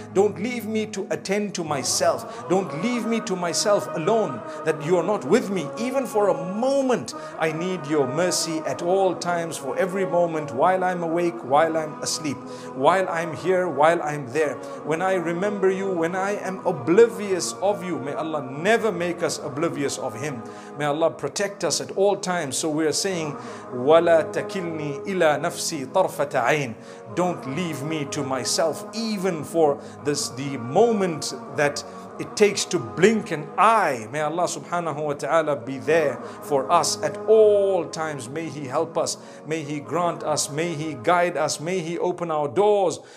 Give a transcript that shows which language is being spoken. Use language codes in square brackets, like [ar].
[en] Don't leave me to attend to myself. Don't leave me to myself alone, that you are not with me even for a moment. I need your mercy at all times, for every moment, while I'm awake, while I'm asleep, while I'm here, while I'm there. When I remember you, when I am oblivious of you, may Allah never make us oblivious of Him. May Allah protect us at all times. So we are saying, [ar] وَلَا تَكِلْنِي إِلَىٰ نَفْسِي طَرْفَةَ عَيْنِ. [en] Don't leave me to myself, even for this, the moment that it takes to blink an eye. May Allah subhanahu wa ta'ala be there for us at all times. May He help us. May He grant us. May He guide us. May He open our doors.